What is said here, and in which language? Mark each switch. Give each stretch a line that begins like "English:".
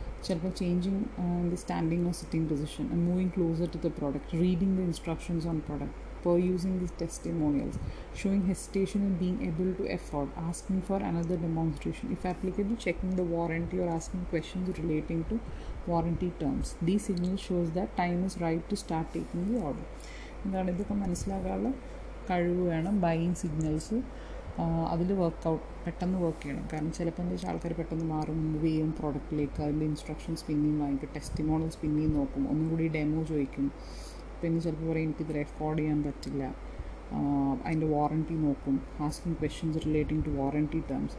Malayalam: ചിലപ്പോൾ
English: Changing the standing or sitting position and moving closer to the product, reading the instructions on product for using these testimonials, showing hesitation and being able to afford, asking for another demonstration, if applicable checking the warranty or asking questions relating to warranty terms. These signals shows that time is right to start taking the order.
Malayalam: എന്താണ് ഇതൊക്കെ മനസ്സിലാക്കാനുള്ള കഴിവ് വേണം. Buying signals അതിൽ workout, പെട്ടെന്ന് work ചെയ്യണം. കാരണം ചിലപ്പോൾ എന്താ വെച്ചാൽ ആൾക്കാർ പെട്ടെന്ന് മാറും, മൂവ് ചെയ്യും പ്രോഡക്റ്റിലേക്ക്, അതിൻ്റെ ഇൻസ്ട്രക്ഷൻസ് പിന്നെയും വാങ്ങിക്കും, ടെസ്റ്റിമോണൽസ് പിന്നെയും നോക്കും, ഒന്നും കൂടി ഡെമോ ചോദിക്കും. പിന്നെ ചിലപ്പോൾ പറയും എനിക്കിത് എഫോർഡ് ചെയ്യാൻ പറ്റില്ല, അതിൻ്റെ വാറണ്ടി നോക്കും,
English: Asking questions relating to warranty terms.